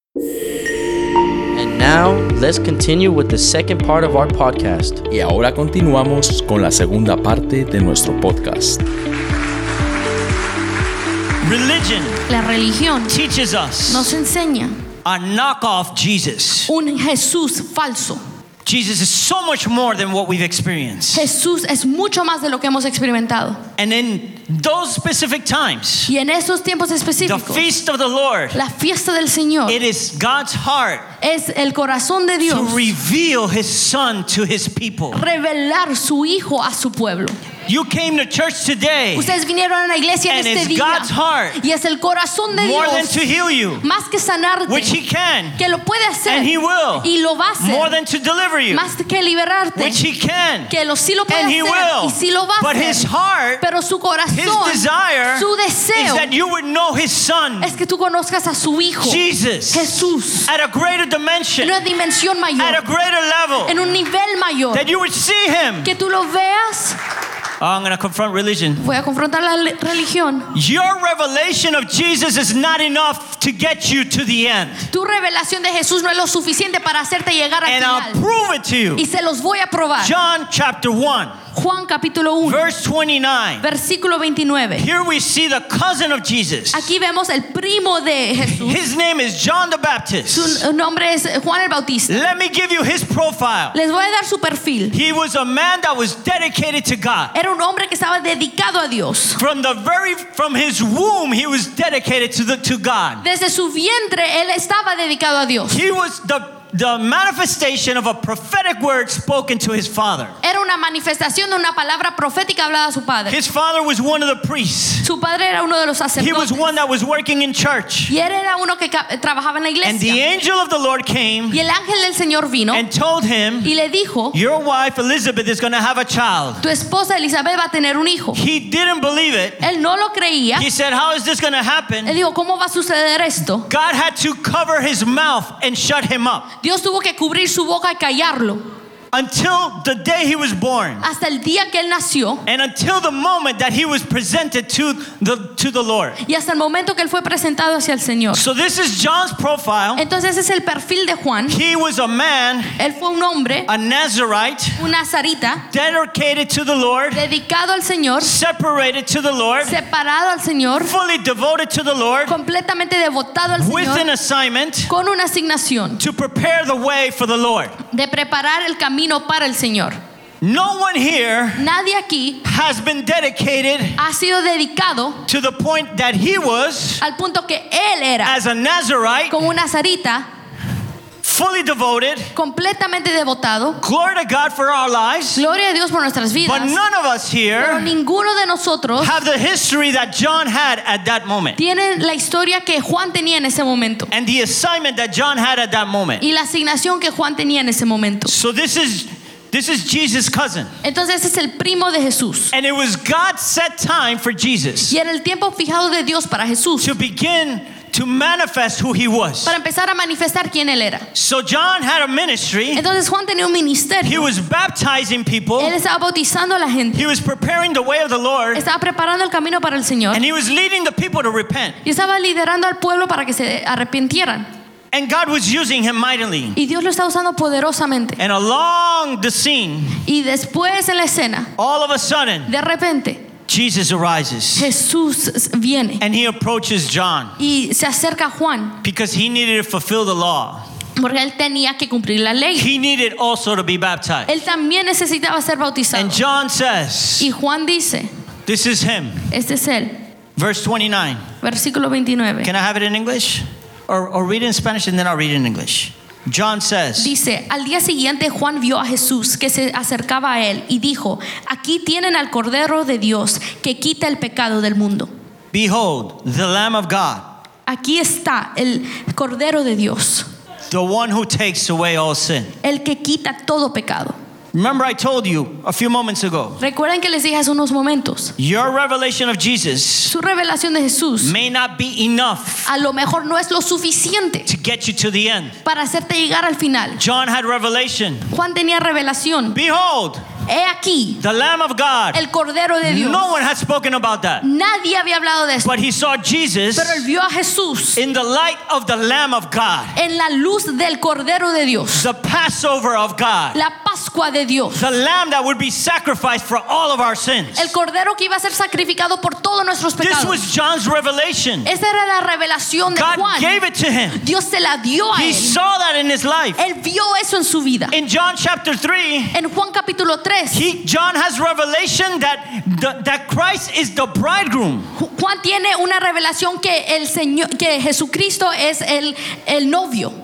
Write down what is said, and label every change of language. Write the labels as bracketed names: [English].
[English] And now, let's continue with the second part of our podcast. [Spanish] Y ahora continuamos con la segunda parte de nuestro podcast. [English] Religion, [Spanish] la religión, [English] teaches us, [Spanish] nos enseña, [English] a knockoff Jesus, [Spanish] un Jesús falso. [English] Jesus is so much more than what we've experienced. [Spanish] Jesús es mucho más de lo que hemos experimentado. [English] And in those specific times, [Spanish] y en esos tiempos específicos, [English] the feast of the Lord, [Spanish] la fiesta del Señor, [English] it is God's heart, [Spanish] es el corazón de Dios, [English] to reveal His Son to His people, [Spanish] revelar su hijo a su pueblo. [English] You came to church today, [Spanish] ustedes vinieron a la iglesia en este día, [English] God's heart, [Spanish] y es el corazón de [English] more [Spanish] Dios, [English] than to heal you, [Spanish] más que sanarte, [English] which He can, [Spanish] que lo puede hacer, [English] and He will, [Spanish] y lo va a hacer, [English] more than to deliver you, [Spanish] más que liberarte, [English] which He can, [Spanish] que lo sí lo puede [English] and [Spanish] hacer, [English] He will, [Spanish] y sí lo va a [English] but [Spanish] hacer, [English] His heart, [Spanish] pero su corazón, [English] His desire, [Spanish] su deseo, [English] is that you would know His Son, [Spanish] es que tú conozcas a su hijo, [English] Jesus, [Spanish] Jesús, [English] at a greater dimension, [Spanish] en una dimensión mayor, [English] at a greater level, [Spanish] en un nivel mayor, [English] that you would see Him, [Spanish] que tú lo veas. [English] Oh, I'm going to confront religion. [Spanish] Voy a confrontar la religión. [English] Your revelation of Jesus is not enough to get you to the end. [Spanish] Tu revelación de Jesús no es lo suficiente para hacerte llegar al final. [English] And I'll prove it to you. [Spanish] Y se los voy a probar. [English] John chapter 1. [Spanish] Juan capítulo 1. [English] Verse 29. [Spanish] Versículo 29. [English] Here we see the cousin of Jesus. [Spanish] Aquí vemos el primo de Jesús. [English] His name is John the Baptist. [Spanish] Su nombre es Juan el Bautista. [English] Let me give you his profile. [Spanish] Les voy a dar su perfil. [English] He was a man that was dedicated to God. [Spanish] Era un hombre que estaba dedicado a Dios. [English] From the very from his womb he was dedicated to God. [Spanish] Desde su vientre él estaba dedicado a Dios. [English] He was the manifestation of a prophetic word spoken to his father. [Spanish] Era una manifestación de una palabra profética hablada a su padre. [English] His father was one of the priests. [Spanish] Su padre era uno de los sacerdotes. [English] He was one that was working in church. [Spanish] Y él era uno que trabajaba en la iglesia. [English] And the angel of the Lord came. [Spanish] Y el ángel del Señor vino. [English] And told him. [Spanish] Y le dijo. [English] Your wife Elizabeth is going to have a child. [Spanish] Tu esposa Elizabeth va a tener un hijo. [English] He didn't believe it. [Spanish] Él no lo creía. [English] He said, "How is this going to happen?" [Spanish] Él dijo, ¿cómo va a suceder esto? [English] God had to cover his mouth and shut him up. [Spanish] Dios tuvo que cubrir su boca y callarlo. [English] Until the day he was born. [Spanish] Hasta el día que él nació. [English] And until the moment that he was presented to the Lord. [Spanish] Y hasta el momento que él fue presentado hacia el Señor. [English] So this is John's profile. [Spanish] Entonces ese es el perfil de Juan. [English] He was a man. [Spanish] Él fue un hombre. [English] A Nazarite. [Spanish] Un nazarita. [English] Dedicated to the Lord. [Spanish] Dedicado al Señor. [English] Separated to the Lord. [Spanish] Separado al Señor. [English] Fully devoted to the Lord. [Spanish] Completamente devotado al Señor. [English] With an assignment. [Spanish] Con una asignación. [English] To prepare the way for the Lord. [Spanish] De preparar el camino para el Señor. [English] No one here, [Spanish] nadie aquí, [English] has been dedicated, [Spanish] ha sido dedicado, [English] to the point that he was, [Spanish] al punto que él era, [English] as a Nazarite, [Spanish] como un nazarita, [English] fully devoted, [Spanish] completamente devotado, [English] glory to God for our lives, [Spanish] gloria a Dios por nuestras vidas, [English] but none of us here, [Spanish] pero ninguno de nosotros, [English] have the history that John had at that moment, [Spanish] tienen la historia que Juan tenía en ese momento, [English] and the assignment that John had at that moment, [Spanish] y la asignación que Juan tenía en ese momento. [English] So this is Jesus' cousin. [Spanish] Entonces ese es el primo de Jesús. [English] And it was God's set time for Jesus. [Spanish] Y era el tiempo fijado de Dios para Jesús. [English] To begin to manifest who he was. [Spanish] Para empezar a manifestar quién él era. [English] So John had a ministry. [Spanish] Entonces Juan tenía un ministerio. [English] He was baptizing people. [Spanish] Él estaba bautizando a la gente. [English] He was preparing the way of the Lord. [Spanish] Estaba preparando el camino para el Señor. [English] And he was leading the people to repent. [Spanish] Y estaba liderando al pueblo para que se arrepintieran. [English] And God was using him mightily. [Spanish] Y Dios lo está usando poderosamente. [English] And along the scene. [Spanish] Y después en la escena. [English] All of a sudden. [Spanish] De repente. [English] Jesus arises. [Spanish] Jesús viene. [English] And he approaches John. [Spanish] Y se acerca a Juan. [English] Because he needed to fulfill the law. [Spanish] Porque él tenía que cumplir la ley. [English] He needed also to be baptized. [Spanish] Él también necesitaba ser bautizado. [English] And John says. [Spanish] Y Juan dice. [English] This is him. [Spanish] Este es él. [English] Verse 29. [Spanish] Versículo 29. [English] Can I have it in English? Or read it in Spanish and then I'll read it in English. John says. [Spanish] Dice, al día siguiente Juan vio a Jesús que se acercaba a él y dijo, aquí tienen al Cordero de Dios que quita el pecado del mundo. [English] Behold, the Lamb of God. [Spanish] Aquí está el Cordero de Dios. [English] The one who takes away all sin. [Spanish] El que quita todo pecado. [English] Remember I told you a few moments ago. [Spanish] Recuerden que les dije hace unos momentos. [English] Your revelation of Jesus. [Spanish] Su revelación de Jesús. [English] May not be enough. [Spanish] A lo mejor no es lo suficiente. [English] To get you to the end. [Spanish] Para hacerte llegar al final. [English] John had revelation. [Spanish] Juan tenía revelación. [English] Behold. [Spanish] He aquí, [English] the Lamb of God. [Spanish] El Cordero de Dios. [English] No one had spoken about that. [Spanish] Nadie había hablado de esto. [English] But he saw Jesus. [Spanish] Pero él vio a Jesús. [English] In the light of the Lamb of God. [Spanish] En la luz del Cordero de Dios. [English] The Passover of God. [Spanish] La Pascua de Dios. [English] The Lamb that would be sacrificed for all of our sins. [Spanish] El Cordero que iba a ser sacrificado por todos nuestros pecados. [English] This was John's revelation. [Spanish] Esa era la revelación de [English] God [Spanish] Juan. [English] God gave it to him. [Spanish] Dios se la dio a [English] he He saw that in his life. [Spanish] Él vio eso en su vida. [English] In John chapter 3. [Spanish] En Juan capítulo 3. [English] John has revelation that Christ is the bridegroom. [Spanish] Juan tiene una revelación que el Señor, que Jesucristo es el novio.